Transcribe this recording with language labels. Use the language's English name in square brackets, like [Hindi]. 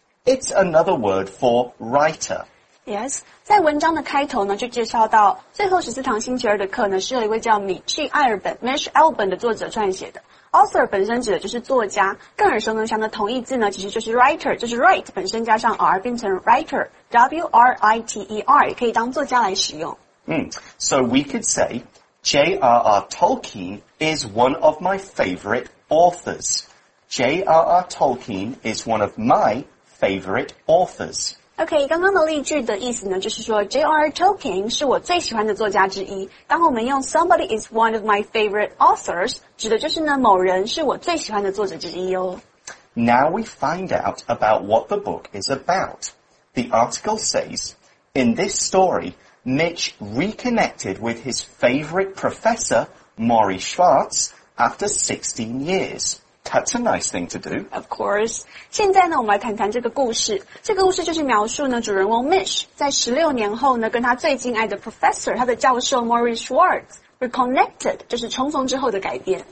[English] It's another word for writer. [Chinese] Yes, 在文章的开头呢，就介绍到最后十四堂星期二的课呢，是由一位叫米契艾尔本 Mitch Albom 的作者撰写的。 Author 本身指的就是作家，更耳熟能详的同义字呢，其实就是 writer， 就是 write 本身加上 r 变成 writer，W-R-I-T-E-R， 也可以当作家来使用。 [English] So we could say J.R.R. Tolkien is one of my favorite authors. J.R.R. Tolkien is one of my favorite authors. [Chinese] OK, 刚刚的例句的意思呢就是说 J.R.R. Tolkien 是我最喜欢的作家之一。当我们用 [English] somebody is one of my favorite authors, [Chinese] 指的就是呢某人是我最喜欢的作者之一哦。 [English] Now we find out about what the book is about. The article says, In this story, Mitch reconnected with his favorite professor, Maury Schwartz, after 16 years. That's a nice thing to do. Of course. [Chinese] 现在呢我们来谈谈这个故事。这个故事就是描述呢主人翁 Mitch 在16年后呢跟他最敬爱的 professor, 他的教授 Maury Schwartz, reconnected, 就是重逢之后的改变。